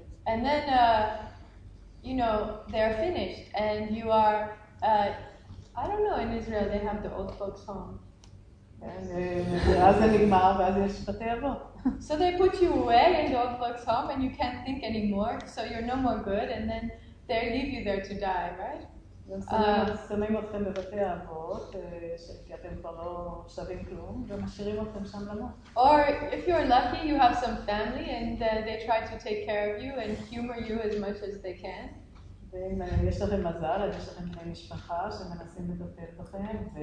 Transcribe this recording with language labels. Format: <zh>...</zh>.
<en>And then, you know, they're finished and you are, I don't know, in Israel they have the old folks home.</en> <he>ואז זה נגמר, ואז יש בתי אבות.</he> <en>So they put you away in the old folks home and you can't think anymore, so you're no more good, and then they leave you there to die, right?</en> <he>שמים אתכם בבתי אבות, כי אתם כבר לא שווים כלום, ומשאירים אתכם שם למות.</he> <en>Or if you're lucky, you have some family and they try to take care of you and humor you as much as they can.</en> <he>ואם יש לכם מזל, אז יש לכם בני משפחה שמנסים לטפל בכם,</he>